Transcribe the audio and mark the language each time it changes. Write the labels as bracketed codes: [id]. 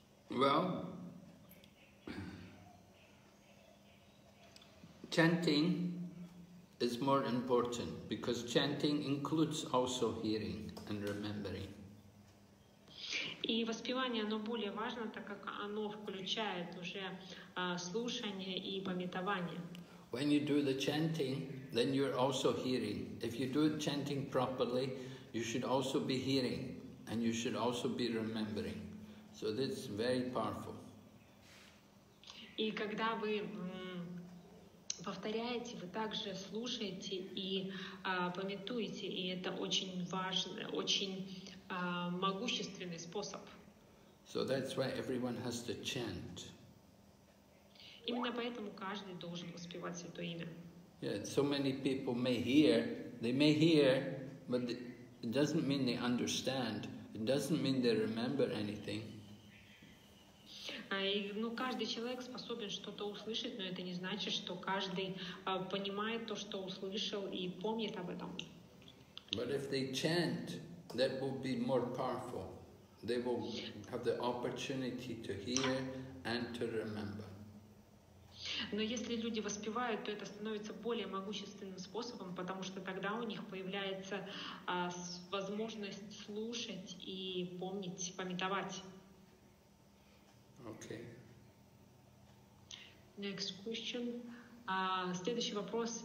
[en] Well, chanting is more important because chanting includes also hearing and remembering. [ru] И воспевание, оно более важно, так как оно включает уже слушание и памятование. [en] When you do the chanting, then you're also hearing. If you do chanting properly, you should also be hearing and you should also be remembering. So that's very powerful. [ru] И когда вы повторяете, вы также слушаете и памятуете, и это очень важный, очень могущественный способ. [en] So that's why everyone has to chant. [ru] Именно поэтому каждый должен воспевать Святое Имя. [en] Yeah, so many people may hear, they may hear, but it doesn't mean they understand, it doesn't mean they remember anything. [ru] Ну, каждый человек способен что-то услышать, но это не значит, что каждый понимает то, что услышал и помнит об этом. [en] But if they chant, that will be more powerful. They will have the opportunity to hear and to remember. [ru] Но если люди воспевают, то это становится более могущественным способом, потому что тогда у них появляется возможность слушать и помнить, памятовать. [en] Okay. Next question. [ru] Следующий вопрос.